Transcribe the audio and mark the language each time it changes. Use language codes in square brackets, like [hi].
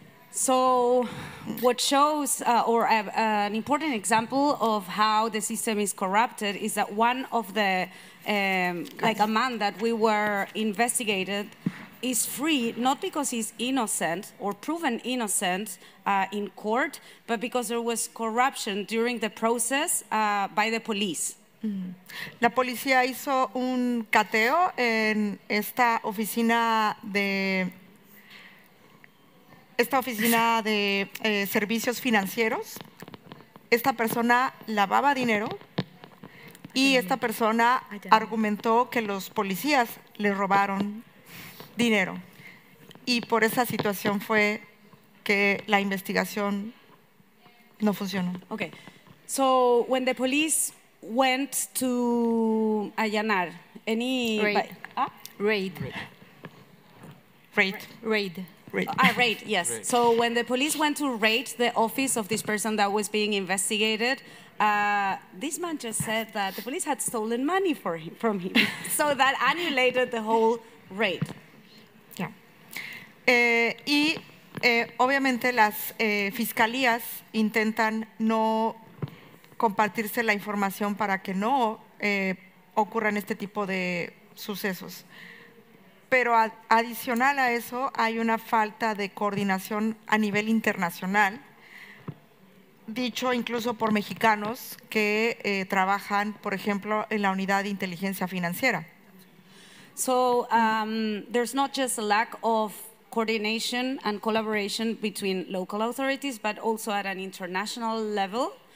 [en] So, what shows an important example of how the system is corrupted is that one of the like a man that we were investigated is free, not because he's innocent or proven innocent in court, but because there was corruption during the process by the police. [es] La policía hizo un cateo en esta oficina de servicios financieros. Esta persona lavaba dinero y esta persona argumentó que los policías le robaron dinero. Y por esa situación fue que la investigación no funcionó. [en] Okay. So when the police went to allanar any raid. Yes. Raid. So when the police went to raid the office of this person that was being investigated, this man just said that the police had stolen money from him. So that annulated the whole raid. [es] Obviamente las fiscalías intentan no compartirse la información para que no ocurran este tipo de sucesos. Pero adicional a eso, hay una falta de coordinación a nivel internacional, dicho incluso por mexicanos que trabajan, por ejemplo, en la unidad de inteligencia financiera. [en] So, there's not just a lack of coordination and collaboration between local authorities, but also at an international level.